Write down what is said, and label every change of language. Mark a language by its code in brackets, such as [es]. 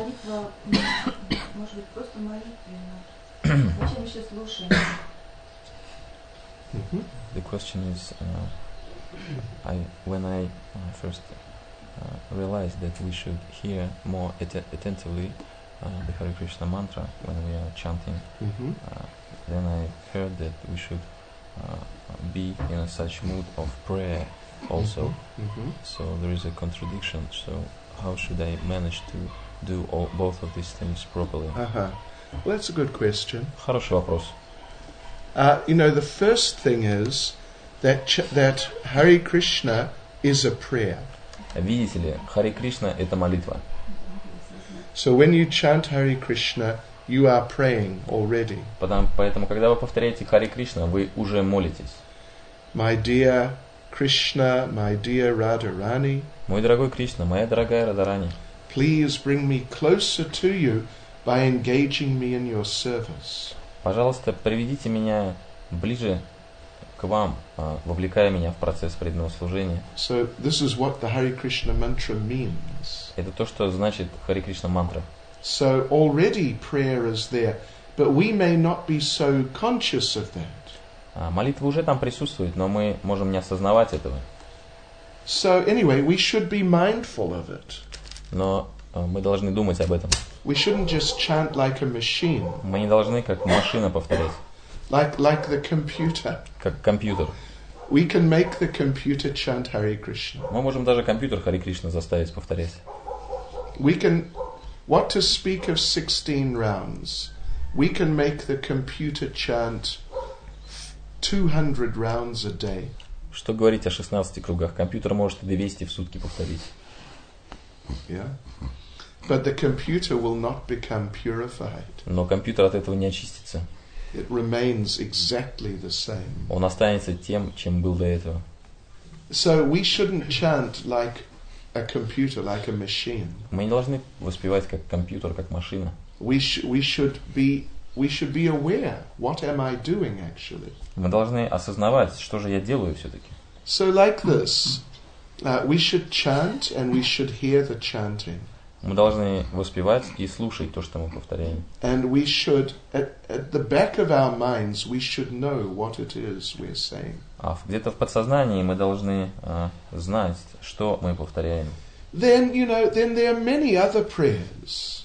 [ru] Молитва, может быть, просто молитва. Зачем еще слушаем? [en] The question is, when I first realized that we should hear more attentively the Hare Krishna mantra when we are chanting, then I heard that we should be in a such mood of prayer also. So there is a contradiction. So how should I manage to do all, both of these things properly? Well, that's a good question. [ru] Хороший вопрос. [en] You know, the first thing is that that Hare Krishna is a prayer. [ru] Видите ли, Hare Krishna – это молитва. [en] So when you chant Hare Krishna, you are praying already. [ru] Поэтому, когда вы повторяете Hare Krishna, вы уже молитесь. [en] My dear Krishna, my dear Radharani. [ru] Мой дорогой Кришна, моя дорогая Радарани. [en] Please bring me closer to you by engaging me in your service. [ru] Пожалуйста, приведите меня ближе к вам, вовлекая меня в процесс преданного служения. [en] So this is what the Hare Krishna mantra means. [ru] Это то, что значит Hare Krishna mantra. [en] So already prayer is there, but we may not be so conscious of that. [ru] Молитва уже там присутствует, но мы можем не осознавать этого. [en] So anyway, we should be mindful of it. [ru] Но мы должны думать об этом. [en] We shouldn't just chant like a machine. [ru] Мы не должны как машина повторять. [en] Like the computer. [ru] Как компьютер. [en] We can make the computer chant Hare Krishna. [ru] Мы можем даже компьютер Hare Krishna заставить повторять. [en] We can, what to speak of 16 rounds? We can make the computer chant 200 rounds a day. [ru] Что говорить о 16 кругах? Компьютер может и 200 в сутки повторить. [en] Yeah. But the computer will not become purified. [ru] Но компьютер от этого не очистится. [en] It remains exactly the same. [ru] Он останется тем, чем был до этого. [en] So we shouldn't chant like a computer, like a machine. [ru] Мы не должны воспевать как компьютер, как машина. [en] We should be We should be aware, what am I doing actually? [ru] Мы должны осознавать, что же я делаю все-таки. [en] So like this, we should chant and we should hear the chanting. [ru] Мы должны воспевать и слушать то, что мы повторяем. [en] And we should, at the back of our minds, we should know what it is we're saying. [ru] А где-то в подсознании мы должны знать, что мы повторяем. [en] Then, you know, then there are many other prayers.